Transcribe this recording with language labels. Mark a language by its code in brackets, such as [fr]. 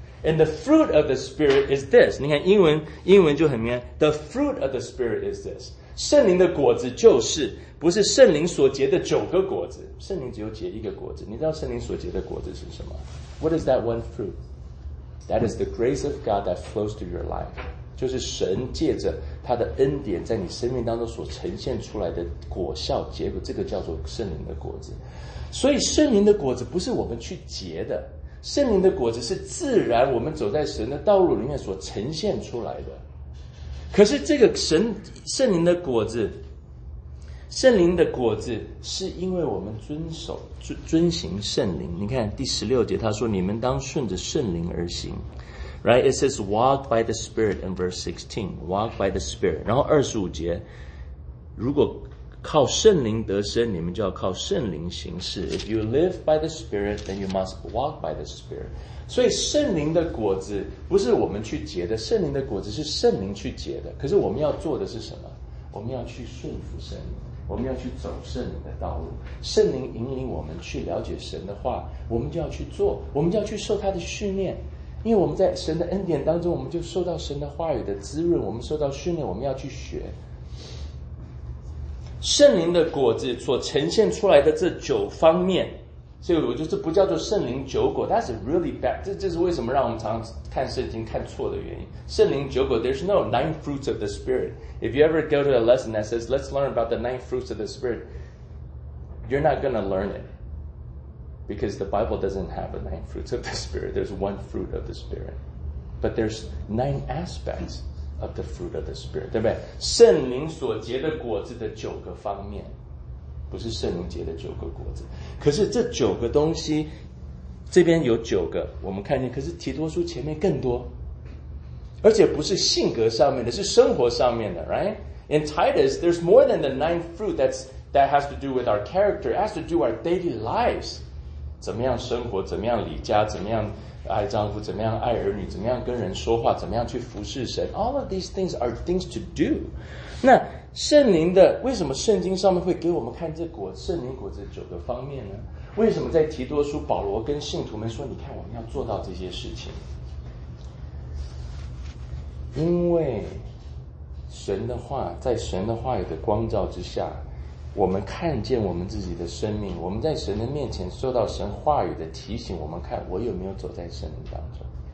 [en] And the fruit of the Spirit is this. [zh] 你看英文就很明白。 [en] The fruit of the Spirit is this. [zh] 圣灵的果子就是，不是圣灵所结的九个果子。圣灵只有结一个果子。你知道圣灵所结的果子是什么？ [en] What is that one fruit? That is the grace of God that flows through your life. [zh] 就是神借着他的恩典在你生命当中所呈现出来的果效结果，这个叫做圣灵的果子。所以圣灵的果子不是我们去结的，圣灵的果子是自然我们走在神的道路里面所呈现出来的。可是这个圣灵的果子是因为我们遵行圣灵。你看第十六节他说你们当顺着圣灵而行， [en] Right? It says walk by the Spirit in verse 16, walk by the Spirit. [zh] 然后二十五节，如果靠圣灵得生，你们就要靠圣灵行事。 [en] If you live by the Spirit, then you must walk by the Spirit. [zh] 所以圣灵的果子不是我们去结的，圣灵的果子是圣灵去结的。可是我们要做的是什么？我们要去顺服圣灵，我们要去走圣灵的道路。圣灵引领我们去了解神的话，我们就要去做，我们就要去受他的训练。因为我们在神的恩典当中，我们就受到神的话语的滋润，我们受到训练，我们要去学圣灵的果子所呈现出来的这九方面。所以我觉得这不叫做圣灵九果， [en] That's really bad. [zh] 这是为什么让我们常看圣经看错的原因。圣灵九果， [en] There's no nine fruits of the Spirit. If you ever go to a lesson that says let's learn about the nine fruits of the Spirit, you're not going to learn it, because the Bible doesn't have a nine fruits of the Spirit. There's one fruit of the Spirit, but there's nine aspects of the fruit of the Spirit, [zh] 对不对？圣灵所结的果子的九个方面，不是圣灵结的九个果子。可是这九个东西，这边有九个，我们看见，可是提多书前面更多，而且不是性格上面的，是生活上面的， right? [en] In Titus, there's more than the nine fruit that has to do with our character, it has to do with our daily lives. [zh] 怎么样生活，怎么样理家，怎么样爱丈夫，怎么样爱儿女，怎么样跟人说话，怎么样去服侍神。 [en] All of these things are things to do. [zh] 那圣灵的，为什么圣经上面会给我们看这果，圣灵果子九个方面呢？为什么在提多书保罗跟信徒们说，你看我们要做到这些事情？因为神的话，在神的话语的光照之下，我们看见我们自己的生命，我们在神的面前受到神话语的提醒，我们看我有没有走在圣灵当中。